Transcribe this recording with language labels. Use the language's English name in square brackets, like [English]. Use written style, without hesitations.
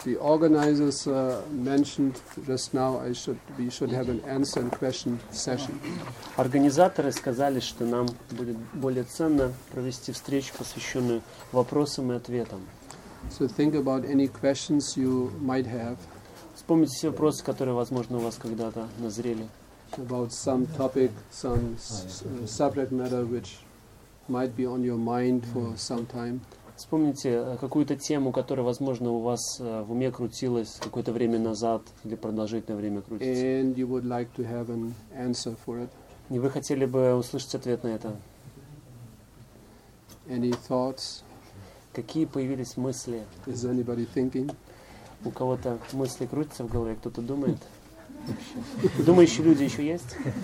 [English] The organizers mentioned just now we should have an answer and question session. [Russian] Организаторы сказали, что нам будет более ценно провести встречу, посвященную вопросам и ответам. [English] So think about any questions you might have. [Russian] Вспомните все вопросы, которые, возможно, у вас когда-то назрели. [English] About some topic, some subject matter which might be on your mind for some time. [Russian] Вспомните какую-то тему, которая, возможно, у вас в уме крутилась какое-то время назад или продолжительное время крутится. [English] And you would like to have an answer for it. [Russian] И вы хотели бы услышать ответ на это? [English] Any thoughts? [Russian] Какие появились мысли? [English] Is anybody thinking? [Russian] У кого-то мысли крутятся в голове, кто-то думает? Думающие люди еще есть?